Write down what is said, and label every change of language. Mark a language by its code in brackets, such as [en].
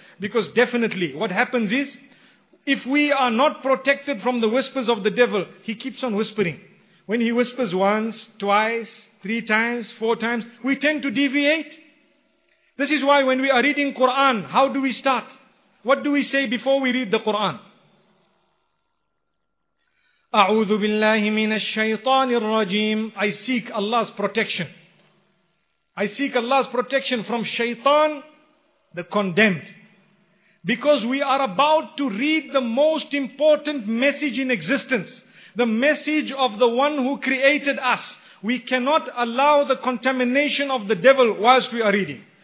[en] Because definitely, what happens is, if we are not protected from the whispers of the devil, he keeps on whispering. When he whispers once, twice, three times, four times, we tend to deviate. This is why when we are reading Quran, how do we start? What do we say before we read the Quran? [ar] أعوذ بالله من الشيطان الرجيم. [en] I seek Allah's protection. I seek Allah's protection from shaitan, the condemned. Because we are about to read the most important message in existence. The message of the one who created us. We cannot allow the contamination of the devil whilst we are reading.